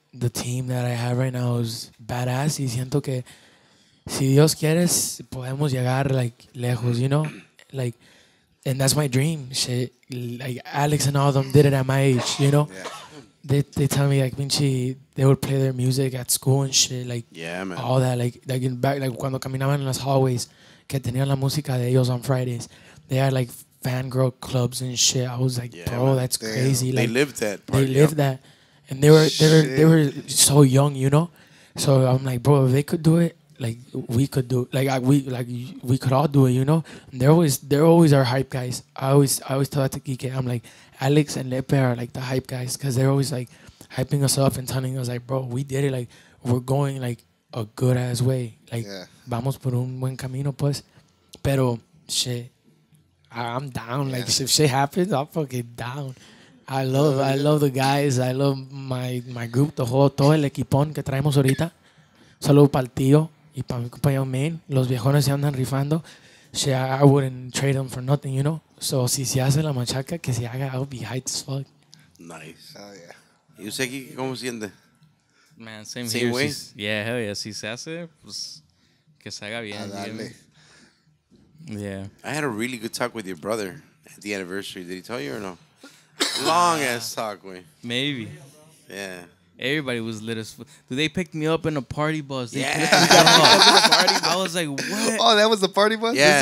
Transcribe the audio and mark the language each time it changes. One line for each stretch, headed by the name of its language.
English: the team that I have right now is badass.
Spanish: Y siento que si Dios quiere, podemos llegar
English: like
Spanish: lejos,
English: you know? Like, and that's my dream. Shit. Like, Alex and all of them did it at my age, you know? Yeah. They tell me, like, Vinci, they would play their music at school and shit. Like, yeah, man. All that. Like in back, like,
Spanish: cuando caminaban en las hallways, que tenían la música de ellos
English: on Fridays. They had, like, fangirl clubs and shit. I was like, yeah, bro, man, that's crazy. Like, they lived that part. They lived that. And they were so young, you know? So I'm like, bro, if they could do it, like, we could do it. We could all do it, you know? And they're always our hype guys. I always tell that to Kike. I'm like, Alex and Lepe are, like, the hype guys because they're always, like, hyping us up and telling us, like, bro, we did it. Like, we're going, like, a good-ass way. Like, yeah.
Spanish: Vamos por un buen camino, pues. Pero,
English: shit. I'm down. Like, yeah. If shit happens, I'm fucking down. I love the guys. I love my group, the whole,
Spanish: todo el equipón que traemos ahorita. Saludo para el tío y para mi compañero main. Los viejones se andan rifando.
English: Shit, I wouldn't trade them for nothing, you know?
Spanish: So, si se hace la machaca, que se haga,
English: I'll be hyped as fuck. Nice. Oh, yeah.
Spanish: ¿Y usted aquí cómo siente?
English: Man, same here. Same way. Yeah, hell yeah.
Spanish: Si se hace, pues, que se haga bien.
English: Yeah. I had a really good talk with your brother at the anniversary. Did he tell you or no? Long ass talk, man. Maybe. Yeah. Everybody was lit as fuck. Dude, they picked me up in a party bus. They picked me up. I was like, what? Oh, that was the party bus? Yeah.